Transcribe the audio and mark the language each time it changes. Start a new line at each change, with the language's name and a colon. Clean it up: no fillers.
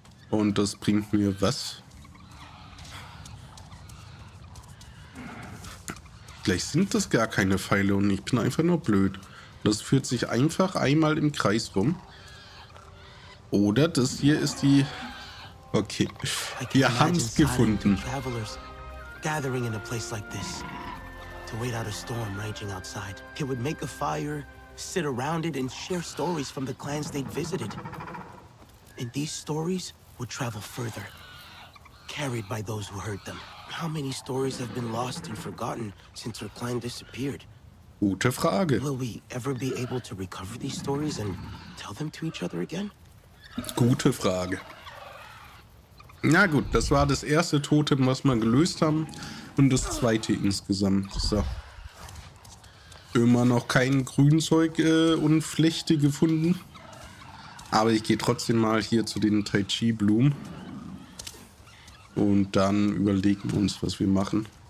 German: Und das bringt mir was? Vielleicht sind das gar keine Pfeile und ich bin einfach nur blöd. Das führt sich einfach einmal im Kreis rum. Oder das hier ist die Okay. Wir haben's gefunden.
English: Gathering in a place like this to wait out a storm raging outside. It would make a fire, sit around it and share stories from the clans they'd visited. And these stories would travel further, carried by those who heard them. How many stories have been lost and forgotten since her clan disappeared?
German: Gute Frage.
English: Will we ever be able to recover these stories and tell them to each other again?
German: Gute Frage. Na gut, das war das erste Totem, was wir gelöst haben. Und das zweite insgesamt. So. Immer noch kein Grünzeug und Flechte gefunden. Aber ich gehe trotzdem mal hier zu den Tai Chi Blumen. Und dann überlegen wir uns, was wir machen.